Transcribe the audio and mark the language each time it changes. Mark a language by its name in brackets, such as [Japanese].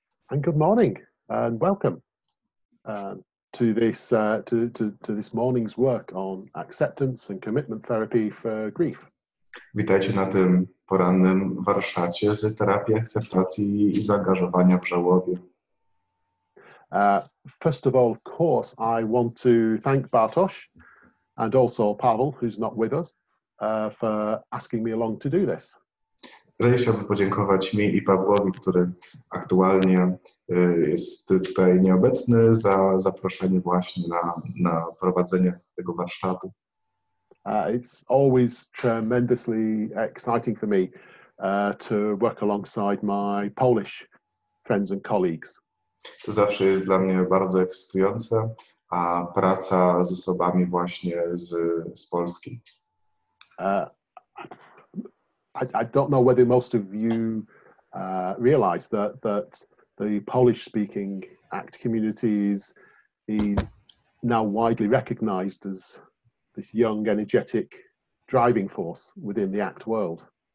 [English] And good morning and welcome to this morning's work on acceptance and commitment therapy for grief. [Polish] Witajcie na tym porannym warsztacie z terapii akceptacji i zaangażowania w żałobie. [English] First of all, of course, I want to thank Bartosz and also Pavel, who's not with us, for asking me along to do this. [Polish] Raya, chciałbym podziękować mi i Pawłowi, który aktualnie jest tutaj nieobecny, za zaproszenie właśnie na prowadzenie tego warsztatu. [English] It's always tremendously exciting for me to work alongside my Polish friends and colleagues. [Polish] To zawsze jest dla mnie bardzo ekscytujące, a praca z osobami właśnie z Polski. [English] I don't know whether most of you realize that the Polish speaking ACT community is now widely recognized as this young, energetic driving force within the ACT world.